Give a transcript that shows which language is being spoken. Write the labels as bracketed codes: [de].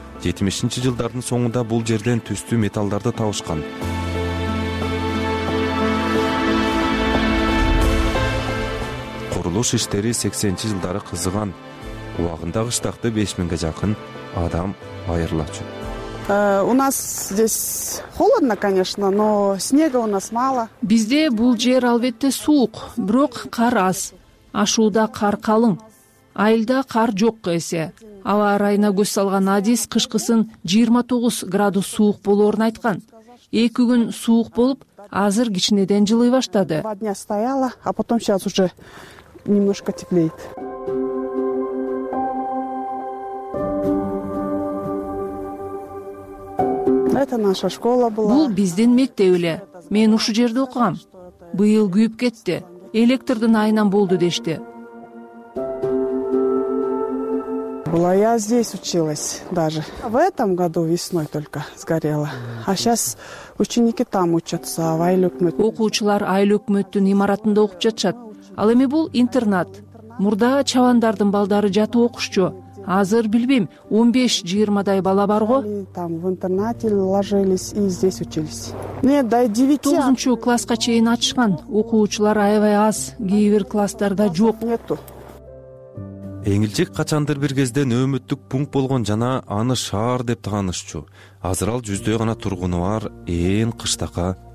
[ky] 70-чи жылдардын соңунда бул жерден түстүү металлдарды табышкан. Курулуш иштери 80-чи жылдары кызыган. Убагында кыштакты 5000 жакын адам айырлачу. [ru] У нас здесь холодно, конечно, но снега у нас мало. [ky] Бизде бул жер албетте суук, бирок кар аз. Ашууда кар калың. Айылда кар жок эсе. Аба ырайына көз салган адис кышкысын 29 градус суук болорун айткан. 2 күн суук болуп, азыр кичинеден жылый баштады. [ru] 2 дня стояла, а потом сейчас уже немножко теплеет. Это наша школа была. [ky] Бул биздин мектеп эле. Мен ушу жерде окугам. Быйыл күйүп кетти. Электрдин айынан болду дешти. [ru] Была я здесь училась даже. В этом году весной только сгорела. А сейчас ученики там учатся в Айлөкмөт. [ky] Окуучулар Айлөкмөттүн имаратында окуп жатышат. Ал эми бул интернат. Мурда чавандардын балдары жатып окушчу. Азыр билбейм, 15-20 бала барго. [ru] Там в интернате ложились и здесь учились. Нет, до 9. [ky] 9-чи класска чейин ачышкан. Окуучулар аябай аз. Кээ бир класстарда жок. [ru] Нету. [ky] Эңилчек качандыр бир кезде нөөмөттүк пункт болгон жана аны шаар деп таанышчу. Азыр ал жүздөй гана тургуну бар ээн кыштакка